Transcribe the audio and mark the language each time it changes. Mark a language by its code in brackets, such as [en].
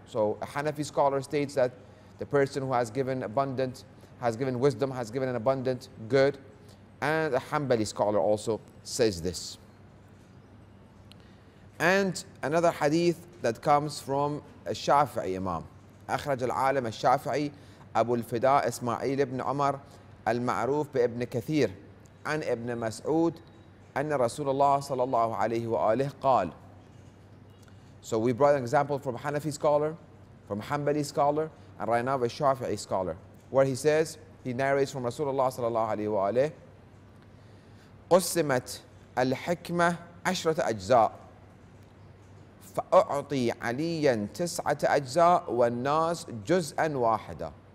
[en] So a Hanafi scholar states that the person who has given wisdom, has given an abundant good. And a Hanbali scholar also says this. And another hadith that comes from Al-Shafi'i Imam. [ar] أخرج العالم الشافعي أبو الفداء إسماعيل بن عمر المعروف بابن كثير عن ابن مسعود أن رسول الله صلى الله عليه وآله قال. [en] So we brought an example from Hanafi scholar, from Hanbali scholar, and right now we're Shafi'i scholar, where he says, he narrates from [ar] رسول الله صلى الله عليه وآله قسمت الحكمة عشرة أجزاء فأعطي عليا تسعة أجزاء والناس جزءا واحدا.